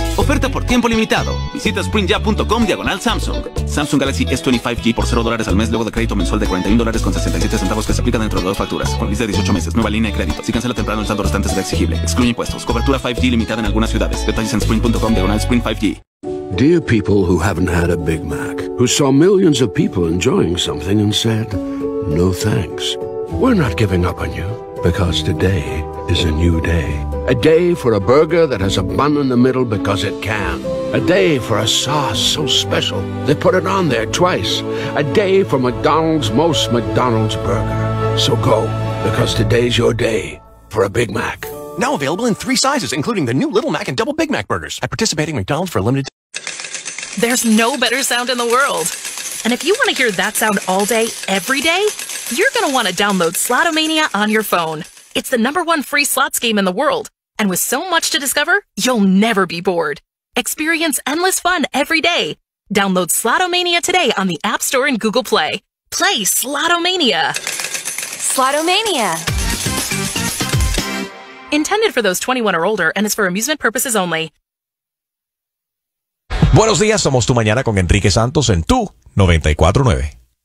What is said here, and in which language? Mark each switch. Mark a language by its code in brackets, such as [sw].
[es] Oferta por tiempo limitado. Visita sprintya.com/Samsung. Samsung Galaxy S20 5G por $0 al mes luego de crédito mensual de $41.67 que se aplica dentro de 2 facturas. Con lista de 18 meses, nueva línea de crédito. Si cancela temprano, el saldo restante será exigible. Excluye impuestos. Cobertura 5G limitada en algunas ciudades. Detalles en sprint.com/Sprint 5G. [en] Dear people who haven't had a Big Mac, who saw millions of people enjoying something and said, no thanks. We're not giving up on you, because today is a new day. A day for a burger that has a bun in the middle because it can. A day for a sauce so special, they put it on there twice. A day for McDonald's most McDonald's burger. So go, because today's your day for a Big Mac. Now available in three sizes, including the new Little Mac and Double Big Mac burgers at participating McDonald's for a limited time. There's no better sound in the world. And if you want to hear that sound all day, every day, you're going to want to download Slotomania on your phone. It's the number one free slots game in the world. And with so much to discover, you'll never be bored. Experience endless fun every day. Download Slotomania today on the App Store and Google Play. Play Slotomania. Slotomania. Intended for those 21 or older and is for amusement purposes only. [es] Buenos días, somos Tu Mañana con Enrique Santos en Tu 94.9.